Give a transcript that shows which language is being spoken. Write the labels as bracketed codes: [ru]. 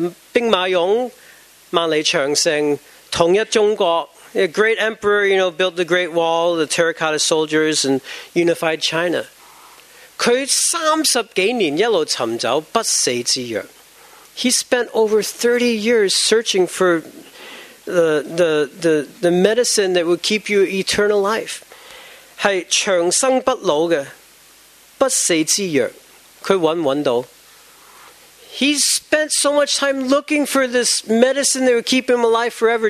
[zh] 兵马俑，万里长城，统一中国。 [en] A great emperor, you know, built the Great Wall, the terracotta soldiers, and unified China. [zh] 他30几年一路寻找不死之药。 [en] He spent over 30 years searching for the medicine that would keep you eternal life. [zh] 是长生不老的不死之药，他找不到。 [en] He spent so much time looking for this medicine that would keep him alive forever.